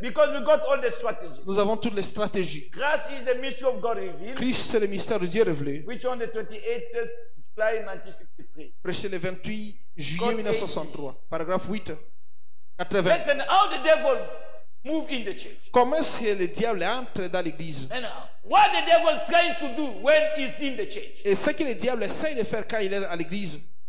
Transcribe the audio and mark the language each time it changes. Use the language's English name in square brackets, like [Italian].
[English] Because we got all the strategies. [French] Nous avons toutes les stratégies. [English] Christ is the mystery of God revealed. [French] Christ, c'est le mystère de Dieu révélé. [English] Which on the 28th July 1963. [French] Prêché le 28 juillet 1963, paragraphe 8. [English] 80. Listen, how the devil move in the church. [French] Comment est-ce que le diable entre dans l'église? [English] And what the devil trying to do when he's in the church? [French] Et ce que le diable essaie de faire quand il est à l'église?